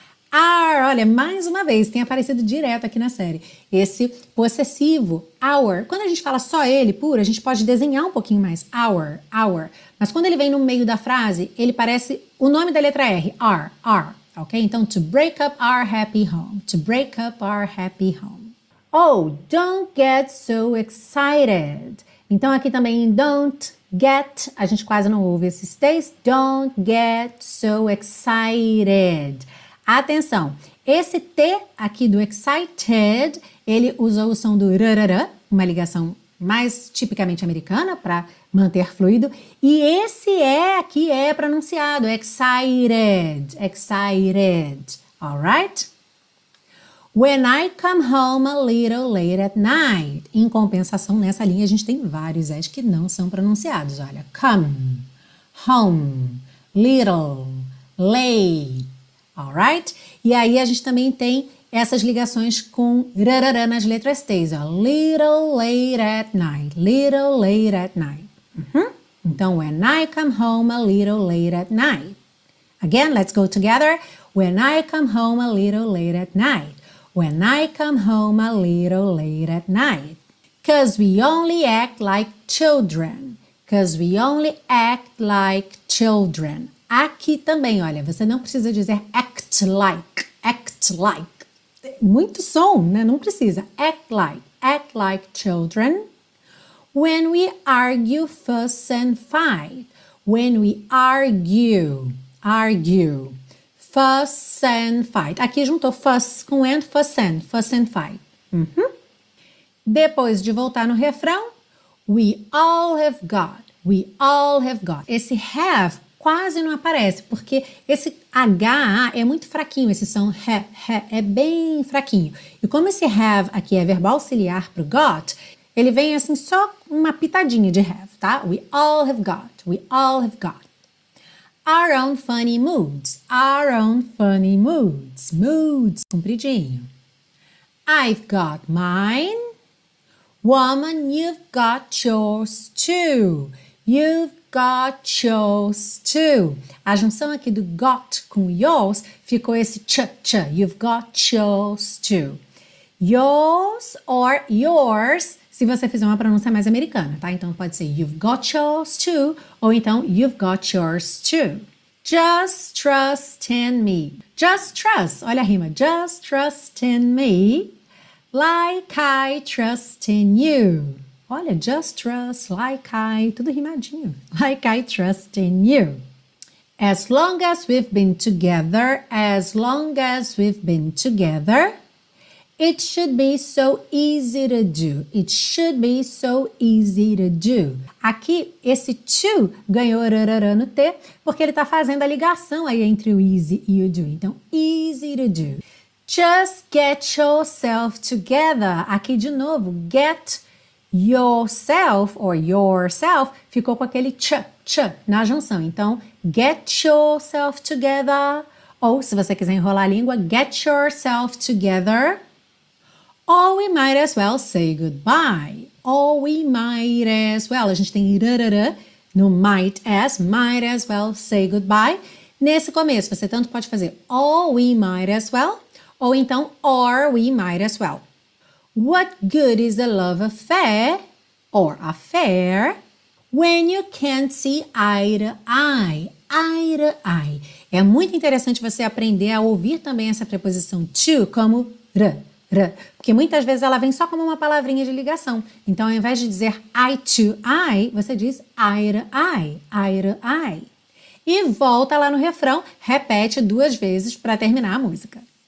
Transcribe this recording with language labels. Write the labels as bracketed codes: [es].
[pt] Our, olha, mais uma vez, tem aparecido direto aqui na série. Esse possessivo, our, quando a gente fala só ele, puro, a gente pode desenhar um pouquinho mais, our. Mas quando ele vem no meio da frase, ele parece o nome da letra R, R, Ok? [en] Então, to break up our happy home. To break up our happy home. Oh, don't get so excited. [pt] Então, aqui também em don't get, a gente quase não ouve esses T's. [en] Don't get so excited. [pt] Atenção, esse T aqui do excited, ele usou o som do rarara, uma ligação mais tipicamente americana para manter fluido. E esse E aqui é pronunciado, [en] excited, excited. Alright? When I come home a little late at night. [pt] Em compensação, nessa linha a gente tem vários S que não são pronunciados. [en] Olha, come, home, little, late. Alright? [pt] E aí a gente também tem essas ligações com rarará nas letras T's. Ó. [en] Little late at night, little late at night. Uh-huh. Então, when I come home a little late at night. Again, let's go together. When I come home a little late at night. When I come home a little late at night. Cause we only act like children. Cause we only act like children. [pt] Aqui também, olha, você não precisa dizer [en] act like, act like. [pt] Muito som, né? Não precisa. [en] Act like children. When we argue, fuss and fight. When we argue, argue. Fuss and fight. [pt] Aqui juntou [en] fuss com and, fuss and fight. Uhum. [pt] Depois de voltar no refrão, [en] we all have got, we all have got. [pt] Esse have quase não aparece, porque esse H é muito fraquinho, esse som ha, é bem fraquinho. E como esse have aqui é verbo auxiliar para o got, ele vem assim só uma pitadinha de have, tá? [en] We all have got, we all have got. Our own funny moods. Our own funny moods. Moods. Compridinho. I've got mine. Woman, you've got yours too. You've got yours too. [pt] A junção aqui do got com yours ficou esse ch-ch. [en] You've got yours too. Yours or yours, [pt] se você fizer uma pronúncia mais americana, tá? Então pode ser [en] you've got yours too, [pt] ou então [en] you've got yours too. Just trust in me. Just trust, [pt] olha a rima. [en] Just trust in me, like I trust in you. Olha, just trust, like I, [pt] tudo rimadinho. [en] Like I trust in you. As long as we've been together, as long as we've been together, it should be so easy to do. It should be so easy to do. [pt] Aqui, esse to ganhou rarará no T, porque ele está fazendo a ligação aí entre o easy e o do. [en] Então, easy to do. Just get yourself together. [pt] Aqui, de novo, get yourself or yourself ficou com aquele ch, ch na junção. Então, [en] get yourself together. [pt] Ou, se você quiser enrolar a língua, get yourself together. [en] Or we might as well say goodbye. Or we might as well. A gente tem rarará no might as well say goodbye. [pt] Nesse começo, você tanto pode fazer [en] or we might as well. [pt] Ou então, [en] or we might as well. What good is a love affair or affair when you can't see eye to eye? Eye to eye. [pt] É muito interessante você aprender a ouvir também essa preposição to como r. Porque muitas vezes ela vem só como uma palavrinha de ligação. Então, ao invés de dizer eye to eye, você diz [en] eye to eye, eye to eye. [pt] E volta lá no refrão, repete duas vezes para terminar a música.